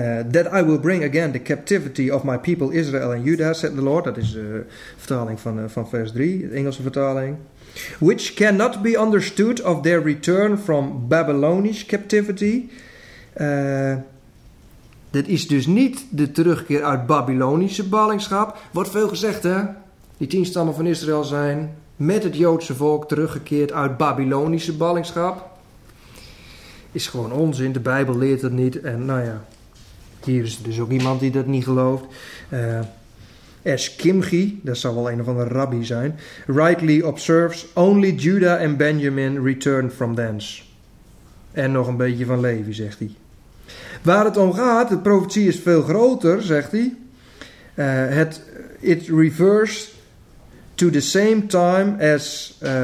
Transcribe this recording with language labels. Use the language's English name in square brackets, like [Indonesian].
[English] That I will bring again the captivity of my people Israel and Judah, said the Lord. [Dutch] Dat is de vertaling van vers 3, de Engelse vertaling. [English] Which cannot be understood of their return from Babylonish captivity. [Dutch] Dat is dus niet de terugkeer uit Babylonische ballingschap. Wordt veel gezegd, hè? Die 10 stammen van Israël zijn met het Joodse volk teruggekeerd uit Babylonische ballingschap. Is gewoon onzin. De Bijbel leert dat niet. En nou ja. Hier is dus ook iemand die dat niet gelooft. Eskimchi, dat zal wel een of andere rabbi zijn. [English] Rightly observes, only Judah and Benjamin return from thence. [Dutch] En nog een beetje van Levi, zegt hij. Waar het om gaat, de profetie is veel groter, zegt hij. [English] It refers to the same time as...